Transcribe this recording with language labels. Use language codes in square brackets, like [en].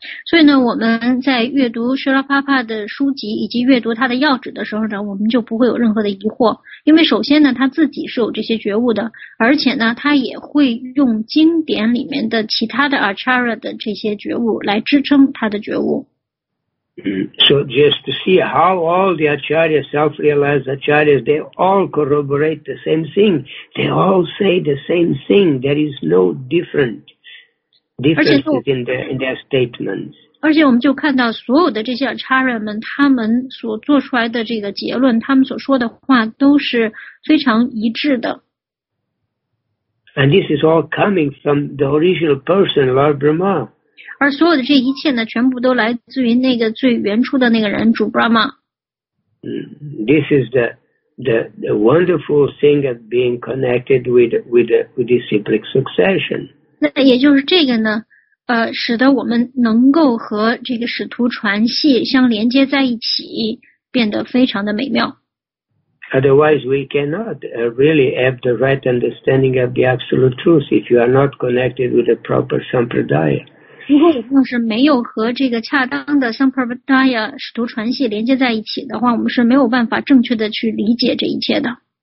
[zh] 所以呢，我们在阅读舍拉帕帕的书籍以及阅读他的要旨的时候呢，我们就不会有任何的疑惑，因为首先呢，他自己是有这些觉悟的，而且呢，他也会用经典里面的其他的 acharya 的这些觉悟来支撑他的觉悟。 [en] So just to see how all the acharyas, self-realized acharyas, they all corroborate the same thing. They all say the same thing. There is no differences in their statements. [zh] 而且我们就看到所有的这些 acharya 们，他们所做出来的这个结论，他们所说的话都是非常一致的。 [en] And this is all coming from the original person, Lord Brahma. [zh] 而所有的这一切呢，全部都来自于那个最原初的那个人，主 Brahma。 [en] This is the wonderful thing of being connected with the cyclic succession. [zh] 那也就是这个呢，使得我们能够和这个使徒传系相连接在一起，变得非常的美妙。 [en] Otherwise, we cannot really have the right understanding of the absolute truth if you are not connected with the proper sampradaya. [zh] 如果我们是没有和这个恰当的 Sampradaya 使徒传系连接在一起的话，我们是没有办法正确的去理解这一切的。